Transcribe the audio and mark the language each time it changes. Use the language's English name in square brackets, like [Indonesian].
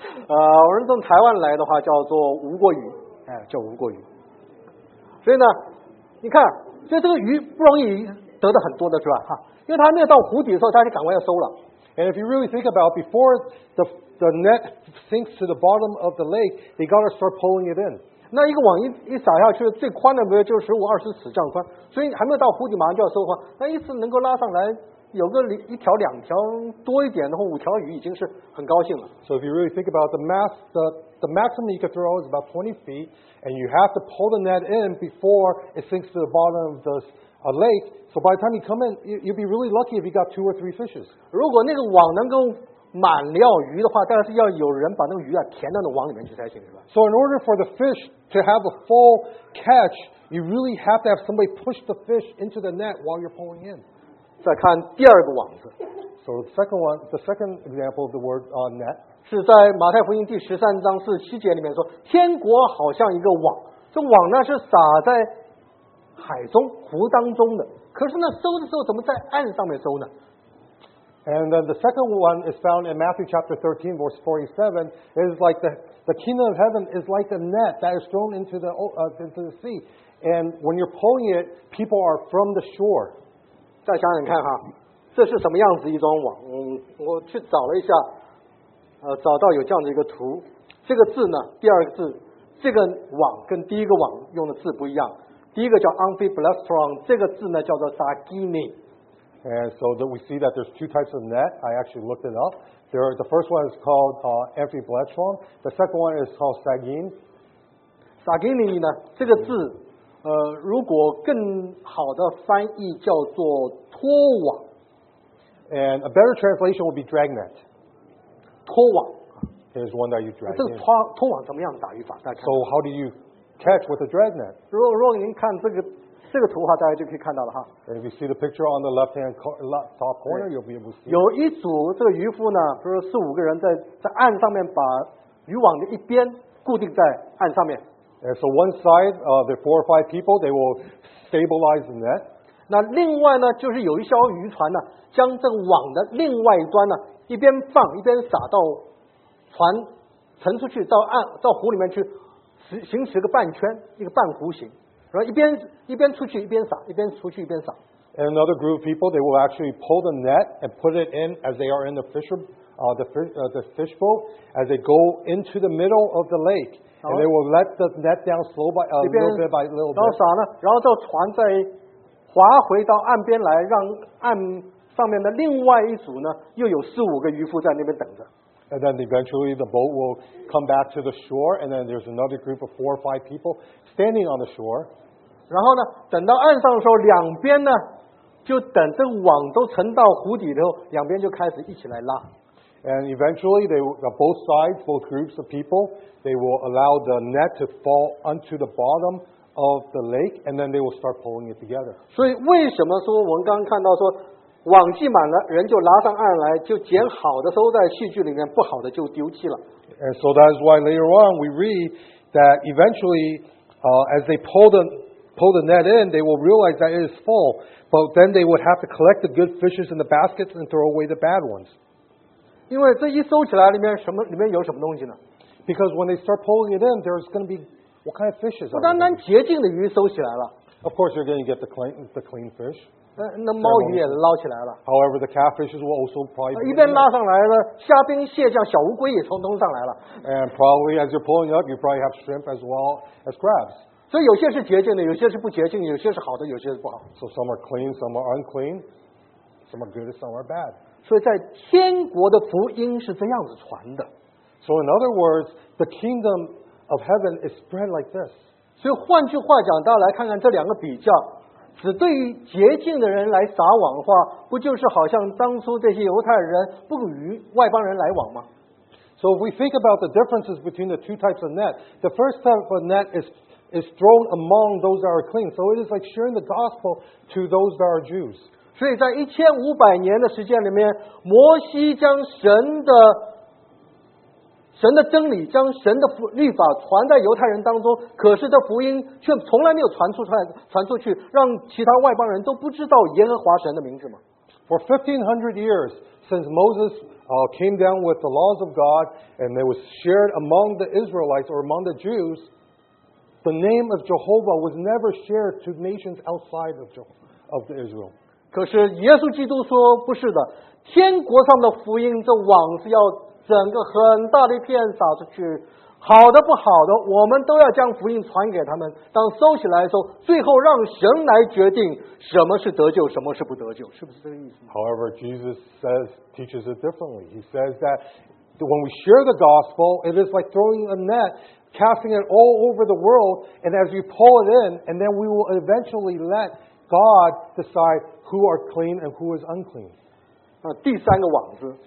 [Chinese] 我们从台湾来的话叫做无骨鱼，叫无骨鱼。所以呢，你看，所以这个鱼不容易得的很多的是吧？哈，因为它没有到湖底的时候，它就赶快要收了。 [English] And if you really think about it, before the net sinks to the bottom of the lake, they got to start pulling it in. [Chinese] 那一个网一撒下去，最宽的不就是15-20尺这样宽？所以还没有到湖底，马上就要收的话，那一次能够拉上来有个一条两条多一点的话，五条鱼已经是很高兴了。 [English] So if you really think about the maximum you can throw is about 20 feet, and you have to pull the net in before it sinks to the bottom of the lake. So by the time you come in, you'd be really lucky if you got 2 or 3 fishes. [Chinese] 如果那个网能够满料鱼的话，当然是要有人把那个鱼啊填到那网里面去才行，是吧 [English] ？So in order for the fish to have a full catch, you really have to have somebody push the fish into the net while you're pulling in. [Chinese] 再看第二个网子。 [English] So the second example of the word net [Chinese] 是在马太福音第13:47里面说，天国好像一个网，这网呢是撒在海中湖当中的。可是呢，收的时候怎么在岸上面收呢 [English] ？And then the second one is found in Matthew chapter 13, verse 47. It is like the kingdom of heaven is like a net that is thrown into the sea. And when you're pulling it, people are from the shore. [Chinese] 再想想看哈，这是什么样子一种网？我去找了一下，找到有这样的一个图。这个字呢，第二个字，这个网跟第一个网用的字不一样。第一个叫 amphiplastron， 这个字呢叫做 sargini。 [English] And so that we see that there's two types of net. I actually looked it up. The first one is called amphiplastron. The second one is called sargin. [Chinese] Sargini 呢，这个字，如果更好的翻译叫做拖网。 [English] And a better translation would be dragnet. [Chinese] 拖网。 [English] Is one that you drag. [Chinese] 这个拖网怎么样打鱼法？大家。 [English] So how do you catch with a dragnet. [Chinese] 如果您看这个图的话，大家就可以看到了哈。 [English] And if you see the picture on the left-hand top corner, you'll be able to see. [Chinese] 有一组这个渔夫呢，比如说4-5个人在岸上面把渔网的一边固定在岸上面。 [English] And so one side, the 4 or 5 people, they will stabilize the net. [Chinese] 那另外呢，就是有一艘渔船呢，将这个网的另外一端呢，一边放一边撒到船沉出去到岸到湖里面去。行驶个半圈，一个半弧形，然后一边出去一边撒，一边出去一边撒。 [English] And another group of people, they will actually pull the net and put it in as they are in the fisher, the fishbowl as they go into the middle of the lake, and they will let the net down slow by little bit by little bit. [Chinese] 然后船再划回到岸边来，让岸上面的另外一组呢，又有四五个渔夫在那边等着。 [English] And then eventually the boat will come back to the shore, and then there's another group of four or five people standing on the shore. [Chinese] 然后呢，等到岸上的时候，两边呢，就等这网都沉到湖底之后，两边就开始一起来拉。 [English] And eventually, both sides, both groups of people, they will allow the net to fall onto the bottom of the lake, and then they will start pulling it together. [Chinese] 所以为什么说我们刚刚看到说？网系满了，人就拉上岸来，就捡好的收在戏剧里面，不好的就丢弃了。 [English] And so that's why later on we read that eventually, as they pull the net in, they will realize that it is full. But then they would have to collect the good fishes in the baskets and throw away the bad ones. [Chinese] 因为这一收起来，里面有什么东西呢 [English] ？Because when they start pulling it in, there's going to be what kind of fishes? [Chinese] 不单单洁净的鱼收起来了。 [English] Of course, you're going to get the clean fish. [Chinese] 那猫鱼也捞起来了。 [English] However, the catfishes will also probably. [Chinese] 一边拉上来了，虾兵蟹将、小乌龟也从东上来了。 [English] And probably as you're pulling up, you probably have shrimp as well as crabs. [Chinese] 所以有些是洁净的，有些是不洁净，有些是好的，有些是不好。 [English] So some are clean, some are unclean, some are good, some are bad. [Chinese] 所以在天国的福音是这样子传的。 [English] So in other words, the kingdom of heaven is spread like this. [Chinese] 所以换句话讲，大家来看看这两个比较。只对于洁净的人来撒网的话，不就是好像当初这些犹太人不与外邦人来往吗 [English] ？So if we think about the differences between the two types of net, the first type of net is thrown among those that are clean. So it is like sharing the gospel to those that are Jews. [Chinese] 所以在1500年的时间里面，摩西将神的真理，将神的律法传在犹太人当中，可是这福音却从来没有传出去，让其他外邦人都不知道耶和华神的名字吗 [English] ？For 1500 years since Moses came down with the laws of God and it was shared among the Israelites or among the Jews, the name of Jehovah was never shared to nations outside of the Israel. [Chinese] 可是耶稣基督说不是的，天国上的福音，这网是要。整个很大的一片撒出去，好的不好的，我们都要将福音传给他们。当收起来的时候，最后让神来决定什么是得救，什么是不得救，是不是这个意思 [English] ？However, Jesus teaches it differently. He says that when we share the gospel, it is like throwing a net, casting it all over the world, and as you pull it in, and then we will eventually let God decide who are clean and who is unclean. [Chinese] 第三个网子。